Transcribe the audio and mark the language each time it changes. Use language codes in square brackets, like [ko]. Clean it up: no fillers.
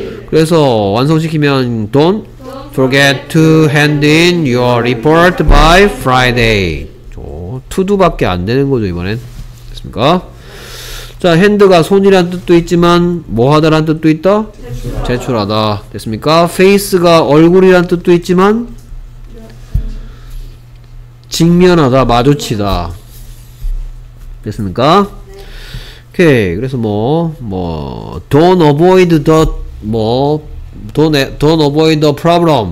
[ko] 그래서 완성시키면 [en] don't forget to hand in your report by Friday. [ko] 투 두밖에 안 되는 거죠 이번엔. 됐습니까? 자, 핸드가 손이란 뜻도 있지만 뭐하다란 뜻도 있다? 제출하다. 됐습니까? 페이스가 얼굴이란 뜻도 있지만 직면하다, 마주치다. 됐습니까? 오케이. 그래서 [en] don't avoid the don't avoid the problem.